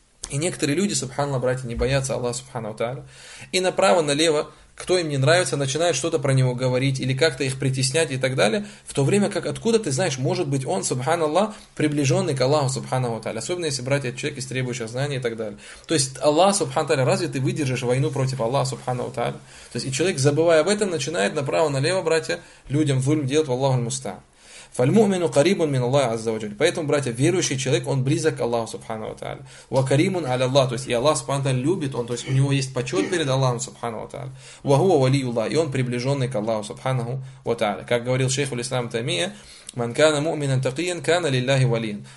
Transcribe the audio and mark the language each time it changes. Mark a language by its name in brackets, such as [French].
[Russian] И некоторые люди, субханаллах, братья, не боятся Аллаха, субхана ва тааля, и направо-налево, кто им не нравится, начинает что-то про него говорить или как-то их притеснять и так далее, в то время как откуда ты знаешь, может быть он, субханаллах, приближенный к Аллаху, субхана ва тааля, особенно если брать человек из требующих знаний и так далее. То есть Аллах, субхана ва тааля, разве ты выдержишь войну против Аллаха, субхана ва тааля? То есть и человек, забывая об этом, начинает направо-налево, братья, людям зульм делать, валлаху муста. [Arabic] فالمؤمن قريب من الله عز وجل. [Russian] Поэтому, братья, верующий человек, он близок к Аллаху Субхану ва тааля. [Arabic] Ва каримун аля Аллах, [Russian] то есть и Аллах Субхану ва тааля любит, он, то есть у него есть почет перед Аллахом Субхану ва тааля. [Arabic] Ва хуа валиюллах, [Russian] и он приближенный к Аллаху Субхану ва тааля. Как говорил шейх ул-Ислам Таймия, [Arabic] ман кана муъминан такиян кана лиллахи валиян.